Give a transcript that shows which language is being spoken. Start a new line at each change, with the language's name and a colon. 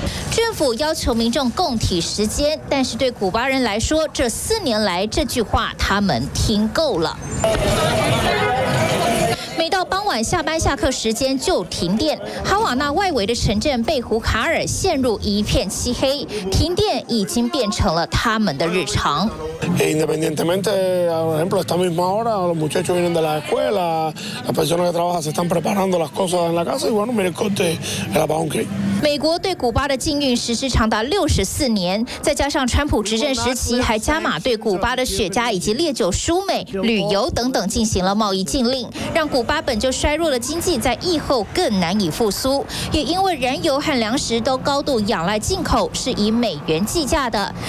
Chinese: 政府要求民众共体时间，但是对古巴人来说，这四年来这句话他们听够了。每到傍晚下班下课时间就停电，哈瓦那外围的城镇贝胡卡尔陷入一片漆黑，停电已经变成了他们的日常。
Spanish: Independientemente, por ejemplo, esta misma hora, los muchachos vienen de la escuela, las personas que trabajan se están preparando las cosas en la casa, y bueno, mire el corte, el apagón que hay.
Chinese: 美国对古巴的禁运实施长达64年，再加上川普执政时期还加码对古巴的雪茄以及烈酒、输美、旅游等等进行了贸易禁令，让古巴本就衰弱的经济在疫后更难以复苏。也因为燃油和粮食都高度仰赖进口，是以美元计价的。